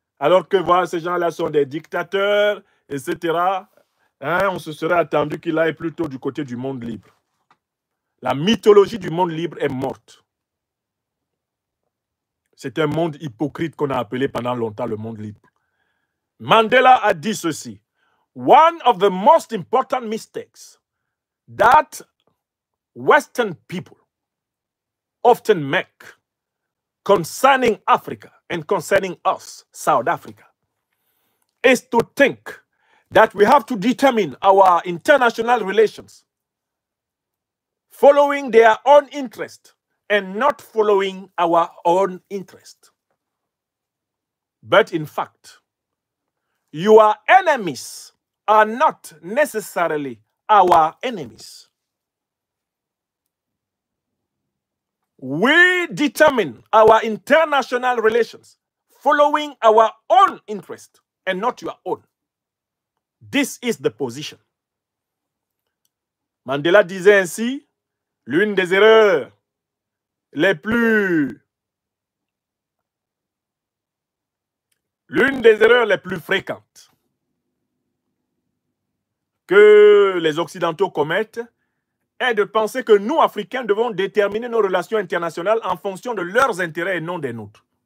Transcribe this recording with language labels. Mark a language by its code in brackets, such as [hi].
[fr] Alors que voilà, ces gens-là sont des dictateurs, etc. Hein? On se serait attendu qu'il aille plutôt du côté du monde libre. La mythologie du monde libre est morte. C'est un monde hypocrite qu'on a appelé pendant longtemps le monde libre. Mandela a dit ceci. [en] One of the most important mistakes that Western people often make concerning Africa and concerning us, South Africa, is to think that we have to determine our international relations following their own interest and not following our own interest. But in fact, your enemies are not necessarily our enemies. We determine our international relations following our own interest and not your own. This is the position. [fr] Mandela disait ainsi, l'une des erreurs les plus fréquentes que les Occidentaux commettent est de penser que nous, Africains, devons déterminer nos relations internationales en fonction de leurs intérêts et non des nôtres.